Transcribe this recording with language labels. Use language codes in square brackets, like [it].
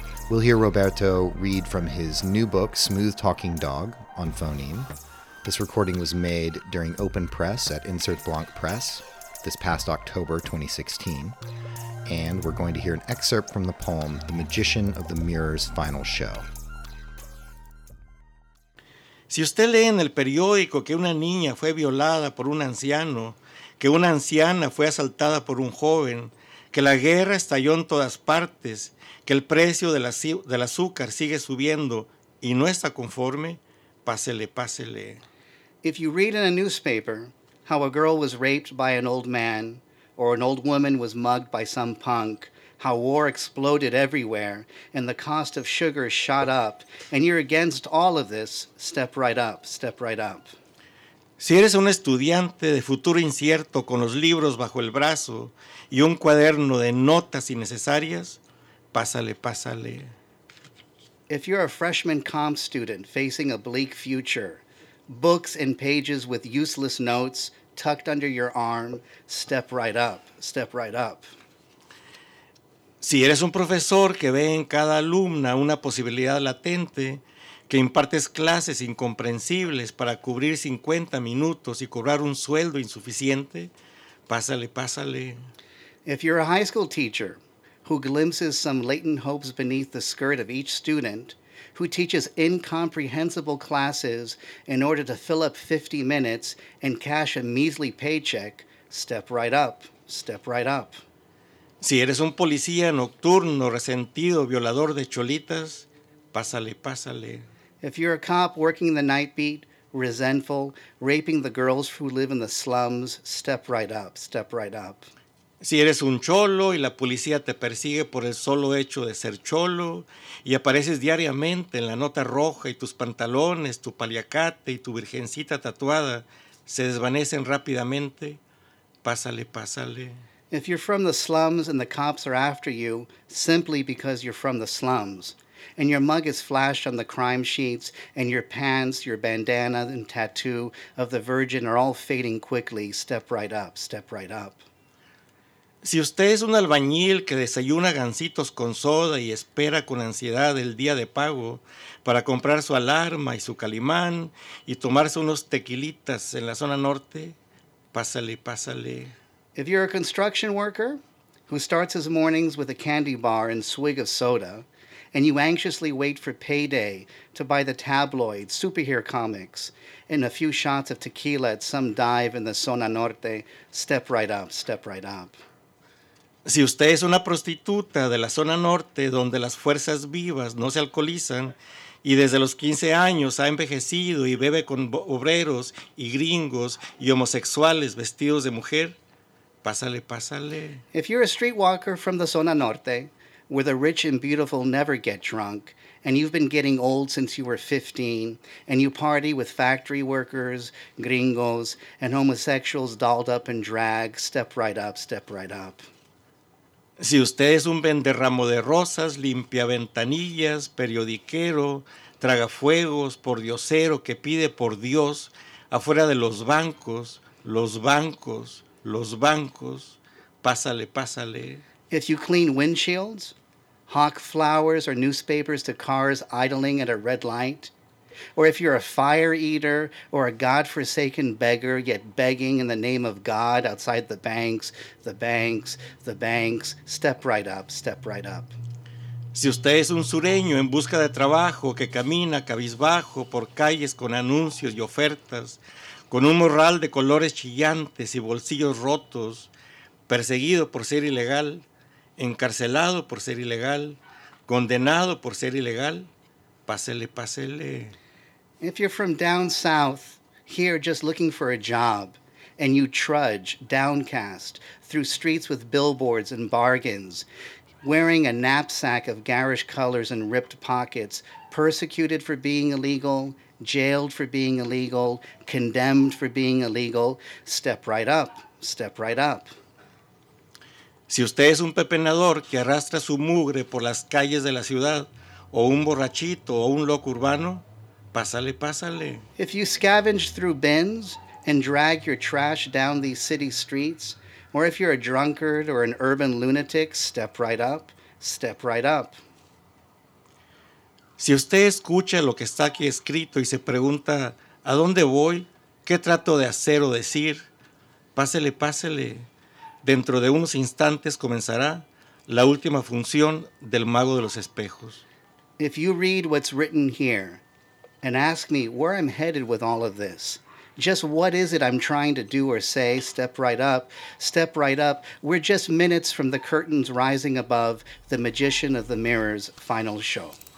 [en] We'll hear Roberto read from his new book, Smooth Talking Dog, on Phoneme. This recording was made during Open Press at Insert Blanc Press this past October 2016, and we're going to hear an excerpt from the poem, The Magician of the Mirror's Final Show. [es] Si usted lee en el periódico que una niña fue violada por un anciano, que una anciana fue asaltada por un joven, que la guerra estalló en todas partes, que el precio del azúcar sigue subiendo y no está conforme, pásele, pásele. [en] If you read in a newspaper how a girl was raped by an old man, or an old woman was mugged by some punk, how war exploded everywhere, and the cost of sugar shot up, and you're against all of this, step right up, step right up. [es] Si eres un estudiante de futuro incierto con los libros bajo el brazo y un cuaderno de notas innecesarias, pásale, pásale. [en] If you're a freshman comp student facing a bleak future, books and pages with useless notes tucked under your arm, step right up, step right up. [es] Si eres un profesor que ve en cada alumna una posibilidad latente, que impartes clases incomprensibles para cubrir 50 minutos y cobrar un sueldo insuficiente, pásale, pásale. [en] If you're a high school teacher who glimpses some latent hopes beneath the skirt of each student, who teaches incomprehensible classes in order to fill up 50 minutes and cash a measly paycheck, step right up, step right up. [es] Si eres un policía nocturno, resentido, violador de cholitas, pásale, pásale. [en] If you're a cop working the night beat, resentful, raping the girls who live in the slums, step right up, step right up. [es] Si eres un cholo y la policía te persigue por el solo hecho de ser cholo y apareces diariamente en la nota roja y tus pantalones, tu paliacate y tu virgencita tatuada se desvanecen rápidamente, pásale, pásale. [en] If you're from the slums and the cops are after you simply because you're from the slums and your mug is flashed on the crime sheets and your pants, your bandana and tattoo of the virgin are all fading quickly, step right up, step right up. [es] Si usted es un albañil que desayuna gansitos con soda y espera con ansiedad el día de pago para comprar su alarma y su calimán y tomarse unos tequilitas en la zona norte, pásale, pásale. [en] If you're a construction worker who starts his mornings with a candy bar and swig of soda, and you anxiously wait for payday to buy the tabloids, superhero comics, and a few shots of tequila at some dive in the zona norte, step right up, step right up. [es] Si usted es una prostituta de la zona norte donde las fuerzas vivas no se alcoholizan y desde los 15 años ha envejecido y bebe con obreros y gringos y homosexuales vestidos de mujer, pásale, pásale. [en] If you're a streetwalker from the zona norte where the rich and beautiful never get drunk and you've been getting old since you were 15 and you party with factory workers, gringos, and homosexuals dolled up in drag, step right up, step right up. [es] Si usted es un venderramo de rosas, limpia ventanillas, periodiquero, tragafuegos, pordiosero que pide por Dios afuera de los bancos, los bancos, los bancos, pásale, pásale. [en] If you clean windshields, hawk flowers or newspapers to cars idling at a red light, or if you're a fire eater or a godforsaken beggar yet begging in the name of God outside the banks, the banks, the banks, step right up, step right up. [es] Si usted es un sureño en busca de trabajo que camina cabizbajo por calles con anuncios y ofertas, con un morral de colores chillantes y bolsillos rotos, perseguido por ser ilegal, encarcelado por ser ilegal, condenado por ser ilegal, pásele, pásele. [en] If you're from down south, here just looking for a job, and you trudge, downcast, through streets with billboards and bargains, wearing a knapsack of garish colors and ripped pockets, persecuted for being illegal, jailed for being illegal, condemned for being illegal, step right up, step right up. [es] Si usted es un pepenador que arrastra su mugre por las calles de la ciudad, o un borrachito o un loco urbano, pásale, pásale. [en] If you scavenge through bins and drag your trash down these city streets, or if you're a drunkard or an urban lunatic, step right up, step right up. [es] Si usted escucha lo que está aquí escrito y se pregunta, ¿a dónde voy? ¿Qué trato de hacer o decir? Pásale, pásale. Dentro de unos instantes comenzará la última función del Mago de los Espejos. [en] If you read what's written here and ask me where I'm headed with all of this, just what is it I'm trying to do or say, step right up, step right up. We're just minutes from the curtains rising above the Magician of the Mirror's final show.